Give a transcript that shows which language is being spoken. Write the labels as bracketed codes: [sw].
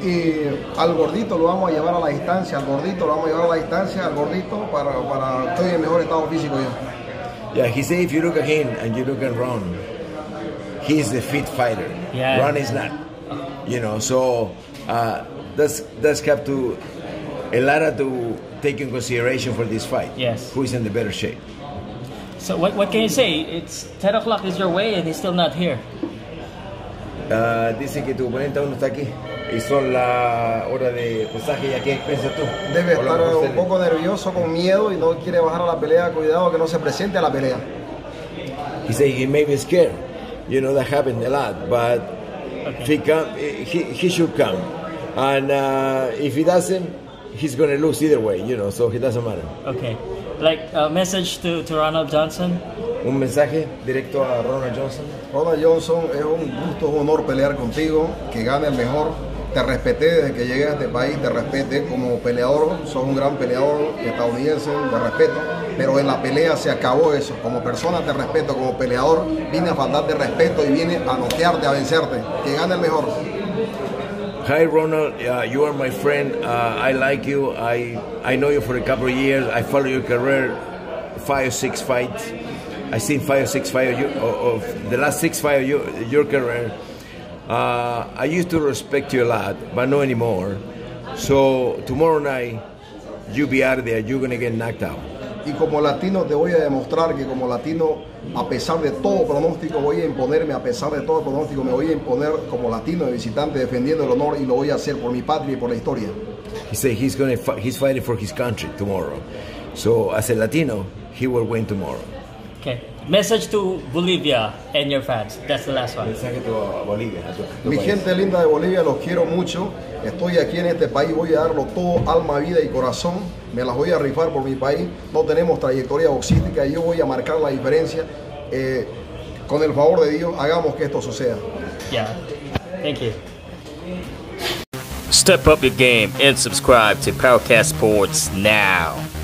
[es] Y al gordito lo vamos a llevar a la distancia, al gordito lo vamos a llevar a la distancia, al gordito para estoy en mejor estado físico yo. [en] Yeah, he said if you look at him and you look at Ron, he's the fit fighter. Yeah. Ron is not. You know, so that's have to a lot to take in consideration for this fight. Yes. Who is in the better shape? So what can you say? It's 10 o'clock is your way and he's still not here. [es] Dicen que tu oponente aún no está aquí. Y son la hora de pasaje y aquí piensas tú. Debe estar un poco nervioso, con miedo y no quiere bajar a la pelea. Cuidado que no se presente a la pelea. [en] He said he may be scared. You know, that happened a lot, but okay. he should come. And if he doesn't, he's going to lose either way, you know, so it doesn't matter. Okay. Like a message to Ronald Johnson? [es] Un mensaje directo a Ronald Johnson. Ronald Johnson, es un gusto, un honor pelear contigo, que gane el mejor. Te respeté desde que llegué a este país, te respeté como peleador. Sos un gran peleador estadounidense, te respeto. Pero en la pelea se acabó eso. Como persona te respeto, como peleador, vine a faltarte respeto y vine a noquearte, a vencerte. Que gane el mejor. [en] Hi Ronald, you are my friend. I like you. I know you for a couple of years. I follow your career, 5 or 6 fights. I seen 5 or 6 fights of the last 6 fights of your career. I used to respect you a lot, but not anymore. So tomorrow night, you be out of there. You're gonna get knocked out. [es] Y como latino te voy a demostrar que como latino, a pesar de todo pronóstico, voy a imponerme, a pesar de todo pronóstico, me voy a imponer como latino de visitante defendiendo el honor y lo voy a hacer por mi patria y por la historia. [en] He said he's fighting for his country tomorrow. So as a latino, he will win tomorrow. Okay. Message to Bolivia and your fans. That's the last one. [es] Mensaje a Bolivia. Mi gente linda de Bolivia, los quiero mucho. Estoy aquí en este país, voy a darlo todo, alma, vida y corazón. Me las voy a rifar por mi país. No tenemos trayectoria boxística y yo voy a marcar la diferencia. Con el favor de Dios, hagamos que esto suceda. [en] Yeah. Thank you. Step up your game and subscribe to Powercast Sports now.